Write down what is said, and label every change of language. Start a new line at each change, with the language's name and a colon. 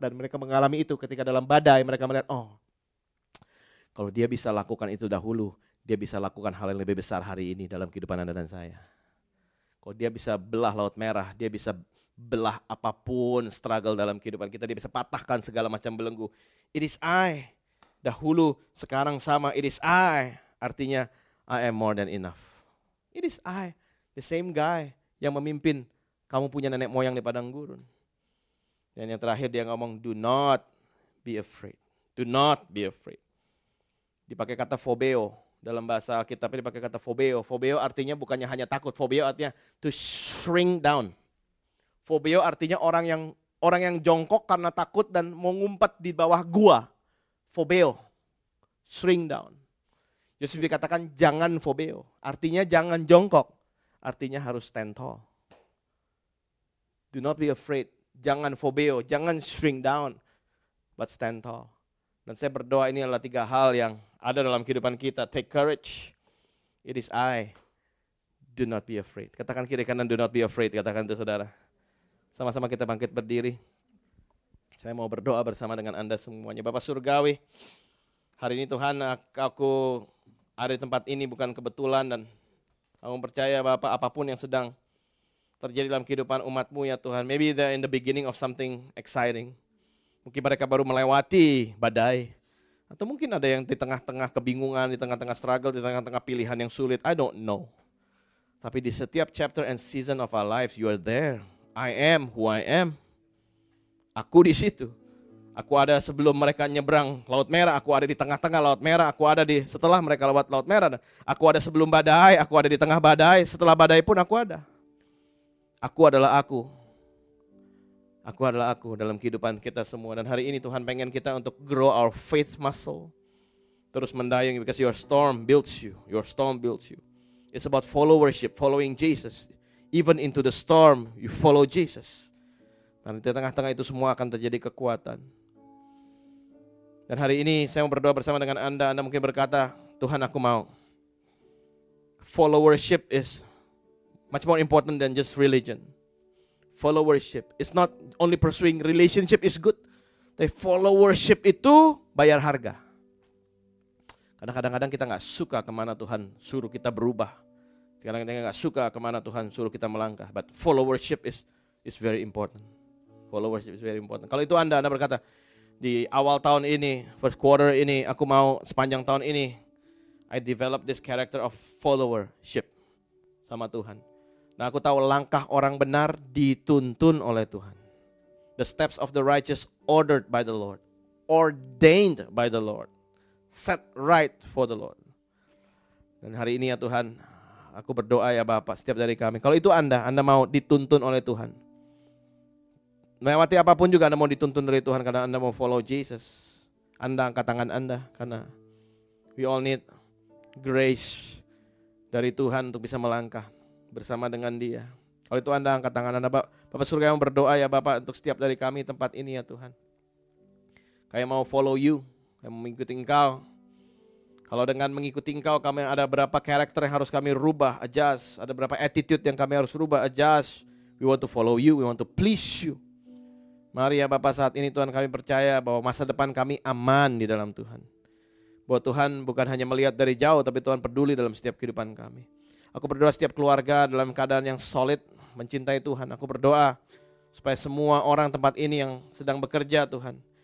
Indonesian: Dan mereka mengalami itu ketika dalam badai. Mereka melihat, oh, kalau dia bisa lakukan itu dahulu, dia bisa lakukan hal yang lebih besar hari ini dalam kehidupan Anda dan saya. Kalau dia bisa belah Laut Merah, dia bisa belah apapun struggle dalam kehidupan kita. Dia bisa patahkan segala macam belenggu.
English: It is I.
Indonesian: Dahulu, sekarang sama.
English: It is I.
Indonesian: Artinya,
English: I am more than enough. It is I. The same guy
Indonesian: yang memimpin kamu punya nenek moyang di padang gurun. Dan yang terakhir dia ngomong,
English: do not be afraid. Do not be afraid.
Indonesian: Dipakai kata phobeo. Dalam bahasa kitabnya dipakai kata phobeo. Phobeo artinya bukannya hanya takut.
English: Phobeo
Indonesian: artinya
English: to shrink down.
Indonesian: Phobeo artinya orang yang jongkok karena takut dan mau ngumpet di bawah gua. Phobeo.
English: Shrink down.
Indonesian: Yesus dikatakan jangan phobeo. Artinya jangan jongkok. Artinya harus
English: stand tall. Do not be afraid.
Indonesian: Jangan phobeo. Jangan
English: shrink down. But stand tall.
Indonesian: Dan saya berdoa ini adalah tiga hal yang ada dalam kehidupan kita.
English: Take courage. It is I. Do not be afraid.
Indonesian: Katakan kiri kanan,
English: do not be afraid.
Indonesian: Katakan itu saudara. Sama-sama kita bangkit berdiri. Saya mau berdoa bersama dengan Anda semuanya. Bapa Surgawi, hari ini Tuhan aku ada di tempat ini bukan kebetulan. Dan aku percaya Bapa, apapun yang sedang terjadi dalam kehidupan umat-Mu ya Tuhan.
English: Maybe they're in the beginning of something exciting.
Indonesian: Mungkin mereka baru melewati badai. Atau mungkin ada yang di tengah-tengah kebingungan, di tengah-tengah struggle, di tengah-tengah pilihan yang sulit.
English: I don't know.
Indonesian: Tapi di setiap
English: chapter and season of our lives, you are there. I am who I am.
Indonesian: Aku di situ. Aku ada sebelum mereka nyebrang Laut Merah. Aku ada di tengah-tengah Laut Merah. Aku ada di setelah mereka lewat Laut Merah. Aku ada sebelum badai. Aku ada di tengah badai. Setelah badai pun aku ada. Aku adalah aku. Aku adalah aku dalam kehidupan kita semua. Dan hari ini Tuhan pengen kita untuk
English: grow our faith muscle.
Indonesian: Terus mendayung.
English: Because your storm builds you. Your storm builds you. It's about followership. Following Jesus. Even into the storm, you follow Jesus.
Indonesian: Dan di tengah-tengah itu semua akan terjadi kekuatan. Dan hari ini saya mau berdoa bersama dengan Anda. Anda mungkin berkata, Tuhan aku mau.
English: Followership is much more important than just religion. Followership. It's not only pursuing relationship is good.
Indonesian: Tapi followership itu bayar harga. Karena kadang-kadang kita gak suka kemana Tuhan suruh kita berubah. Karena kita gak suka kemana Tuhan suruh kita melangkah.
English: But followership is very important. Followership is very important.
Indonesian: Kalau itu Anda berkata, di awal tahun ini, first quarter ini, aku mau sepanjang tahun ini,
English: I develop this character of followership
Indonesian: sama Tuhan. Nah aku tahu langkah orang benar dituntun oleh Tuhan.
English: The steps of the righteous ordered by the Lord. Ordained by the Lord. Set right for the Lord.
Indonesian: Dan hari ini ya Tuhan, aku berdoa ya Bapak, setiap dari kami. Kalau itu Anda mau dituntun oleh Tuhan. Melewati apapun juga Anda mau dituntun dari Tuhan karena Anda mau
English: follow Jesus.
Indonesian: Anda angkat tangan Anda karena
English: we all need grace
Indonesian: dari Tuhan untuk bisa melangkah bersama dengan Dia. Kalau itu Anda angkat tangan Anda. Bapak Surga yang berdoa ya Bapak untuk setiap dari kami tempat ini ya Tuhan. Kayak mau
English: follow You,
Indonesian: kayak mau mengikuti Engkau. Kalau dengan mengikuti Engkau kami ada berapa karakter yang harus kami rubah, adjust. Ada berapa attitude yang kami harus rubah, adjust.
English: We want to follow You, we want to please You.
Indonesian: Mari ya Bapak saat ini Tuhan kami percaya bahwa masa depan kami aman di dalam Tuhan. Bahwa Tuhan bukan hanya melihat dari jauh tapi Tuhan peduli dalam setiap kehidupan kami. Aku berdoa setiap keluarga dalam keadaan yang solid mencintai Tuhan. Aku berdoa supaya semua orang tempat ini yang sedang bekerja Tuhan.